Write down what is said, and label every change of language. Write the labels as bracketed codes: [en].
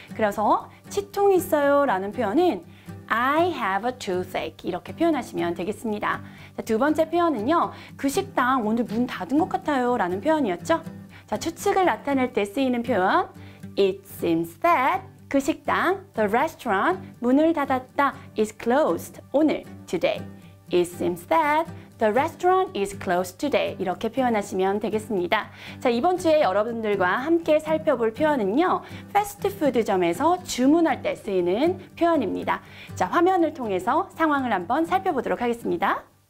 [ko] 그래서 치통 있어요 라는 표현은 [en] I have a toothache [ko] 이렇게 표현하시면 되겠습니다. 자, 두 번째 표현은요. 그 식당 오늘 문 닫은 것 같아요 라는 표현이었죠? 자, 추측을 나타낼 때 쓰이는 표현 [en] It seems that [ko] 그 식당, the restaurant 문을 닫았다 is closed 오늘, today. [en] It seems that the restaurant is closed today [ko] 이렇게 표현하시면 되겠습니다. 자, 이번 주에 여러분들과 함께 살펴볼 표현은요. 패스트푸드점에서 주문할 때 쓰이는 표현입니다. 자, 화면을 통해서 상황을 한번 살펴보도록 하겠습니다.